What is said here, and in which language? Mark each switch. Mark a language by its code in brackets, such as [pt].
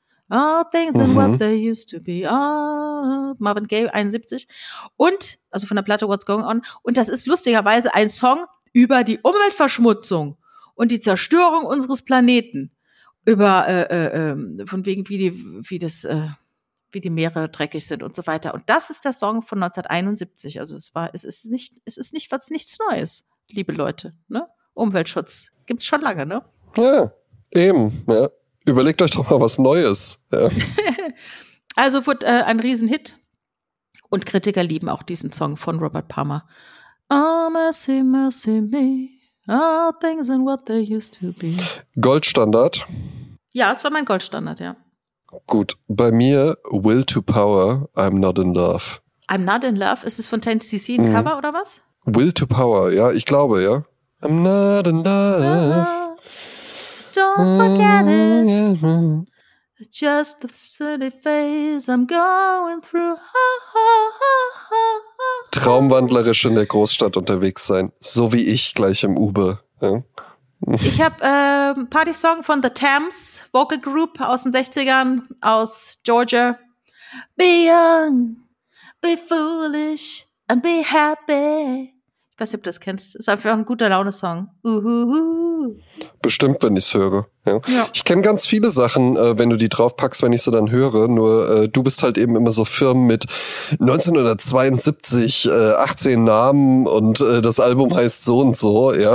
[en] All things and what they used to be. [de] Oh, Marvin Gaye, 71. Und, also von der Platte What's Going On. Und das ist lustigerweise ein Song über die Umweltverschmutzung und die Zerstörung unseres Planeten. Über, von wegen, wie die Meere dreckig sind und so weiter. Und das ist der Song von 1971. Also es ist nichts Neues, liebe Leute, ne? Umweltschutz. Gibt's schon lange, ne? Ja, eben. Ja. Überlegt euch doch mal was Neues. Ja. Also wird ein Riesenhit. Und Kritiker lieben auch diesen Song von Robert Palmer. [en] Oh, mercy, mercy me. All things and what they used to be. [de] Goldstandard. Ja, es war mein Goldstandard, ja. Gut, bei mir Will to Power, I'm Not in Love. [en] I'm Not in Love? [de] Ist es von 10cc ein Cover oder was? Will to Power, ja, ich glaube, ja. [en] I'm not in love. So don't forget it. Yeah. Just the silly phase I'm going through. Ha, ha, ha, ha, ha. [de] Traumwandlerisch in der Großstadt unterwegs sein, so wie ich gleich im Uber. Ja. Ich habe Party-Song von The Tams, Vocal Group aus den 60ern, aus Georgia. [en] Be young, be foolish and be happy. [de] Ich weiß nicht, ob du das kennst. Ist einfach ein guter Laune-Song. Uhuhu. Bestimmt, wenn ich es höre. Ja. Ja. Ich kenne ganz viele Sachen, wenn du die draufpackst, wenn ich sie dann höre. Nur du bist halt eben immer so firm mit 1972, 18 Namen und das Album heißt so und so. Ja.